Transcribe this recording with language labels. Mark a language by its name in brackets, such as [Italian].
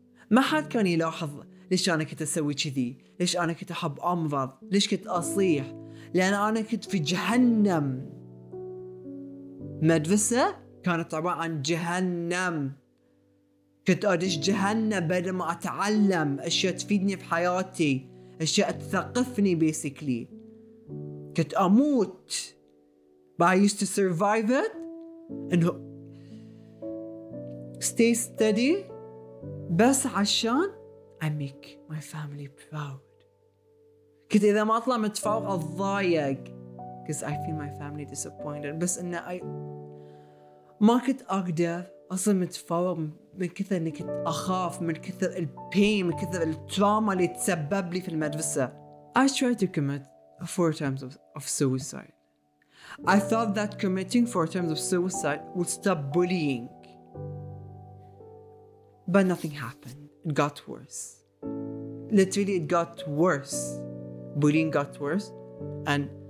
[Arabic] ما حد كان يلاحظ ليش أنا كنت أسوي كذي, ليش أنا كنت أحب أمرض, ليش كنت أصيح, لأن أنا كنت في جهنم. مدرسة كانت عبارة عن جهنم. كنت أدش جهنم بدل ما أتعلم أشياء تفيدني في حياتي, أشياء تثقفني basically. كنت أموت. [English] But I used to survive it and stay steady [Arabic] بس عشان [English] I make my family proud. [Arabic] كنت إذا ما أطلع متفوق أضايق [English] because I feel my family disappointed. [Arabic] بس إن I ما كنت أقدر أصلا متفوق من كثر إني كنت أخاف من كثر ال pain, من كثر ال trauma اللي تسبب لي في المدرسة. [English] I tried to commit 4 times of suicide. I thought that committing 4 times of suicide would stop bullying, but nothing happened. It got worse. Literally, it got worse. Bullying got worse and